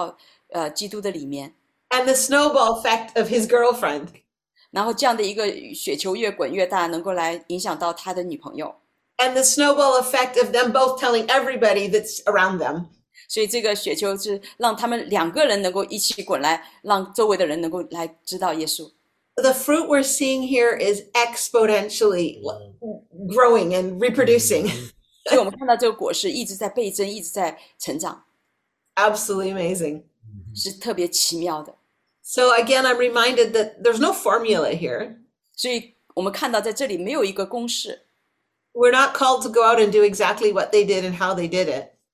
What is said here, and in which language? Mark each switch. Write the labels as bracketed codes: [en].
[zh] 所以我们就让我们看到，就是好像一个点，就是让这个人能够带到基督的里面。And [en] the snowball effect of his girlfriend. [zh] 然后这样的一个雪球越滚越大，能够来影响到他的女朋友。 [en] And the snowball effect of them both telling everybody that's around them. [zh] 所以这个雪球是让他们两个人能够一起滚来，让周围的人能够来知道耶稣。 [en] The fruit we're seeing here is exponentially growing and reproducing. [zh] 所以我们看到这个果实一直在倍增，一直在成长。 [en] Absolutely amazing. [zh] 是特别奇妙的。 [en] So again, I'm reminded that there's no formula here. [zh] 所以我们看到在这里没有一个公式。 [en] We're not called to go out and do exactly what they did and how they did it.